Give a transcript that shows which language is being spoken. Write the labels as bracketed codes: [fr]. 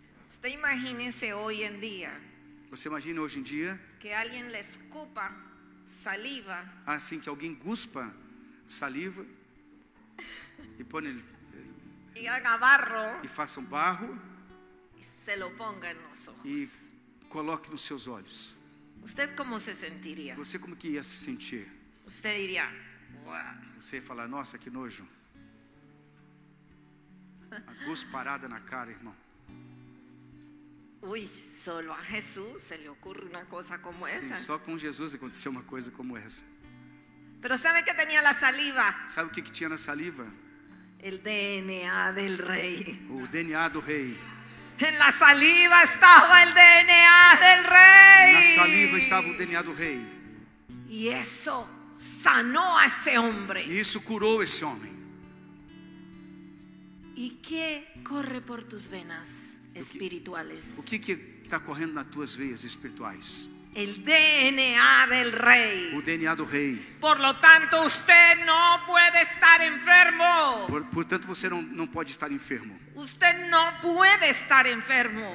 [es] Usted imagínese hoy en día. [pt] Você imagina hoje em dia? [es] Que alguien le escupa saliva. [pt] Assim que alguém cuspa saliva e põe ele [es] e haga barro. [pt] E faça um barro. [es] E se lo ponga en los ojos. [pt] E coloque nos seus olhos. [es] Usted cómo se sentiría? [pt] Você como que ia se sentir? [es] Usted diría: [pt] você ia falar, nossa, que nojo. A cusparada na cara, irmão. Ui, só a Jesus se lhe ocorre uma coisa como sim, essa. Só com Jesus aconteceu uma coisa como essa. [es] Pero sabe que tenía la saliva? [pt] Sabe o que tinha na saliva? [es] El DNA del rey. [pt] O DNA do rei. [es] En la saliva estaba el DNA del rey. [pt] Na saliva estava o DNA do rei. [es] Y eso sanó a ese hombre. [pt] E isso curou esse homem. [es] ¿Y qué corre por tus venas espirituales? [pt] O que está correndo nas tuas veias espirituais? [es] El DNA del rey. [pt] O DNA do rei. [es] Por lo tanto, usted no puede estar enfermo. [pt] Portanto, você não pode estar enfermo. [es] Usted no puede estar enfermo.